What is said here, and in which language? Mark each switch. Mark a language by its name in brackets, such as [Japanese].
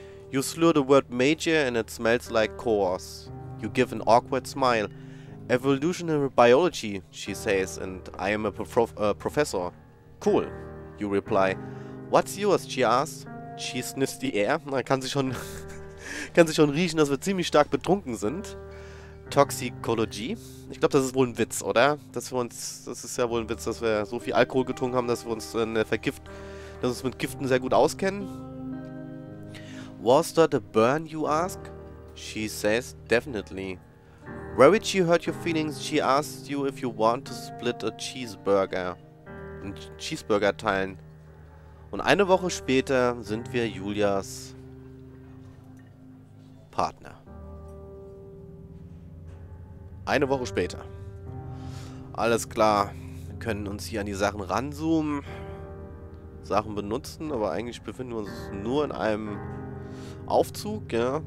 [English] You slur the word major and it smells like chores. You give an awkward smile. Evolutionary biology, she says, and I am a professor. Cool, you reply. What's yours, she asks. She sniffs the air. [German] Man kann sich schon, kann sich schon riechen, dass wir ziemlich stark betrunken sind. Toxicology. Ich glaube, das ist wohl ein Witz, oder? Das ist ja wohl ein Witz, dass wir so viel Alkohol getrunken haben, dass wir uns dass wir uns mit Giften sehr gut auskennen. [English] Was that a burn, you ask? She says, definitely. Where would she hurt your feelings? She asks you if you want to split a cheeseburger. [German] Einen Cheeseburger teilen. Und eine Woche später sind wir Julias Partner. Eine Woche später. Alles klar. Wir können uns hier an die Sachen ranzoomen, Sachen benutzen, aber eigentlich befinden wir uns nur in einem Aufzug, ja.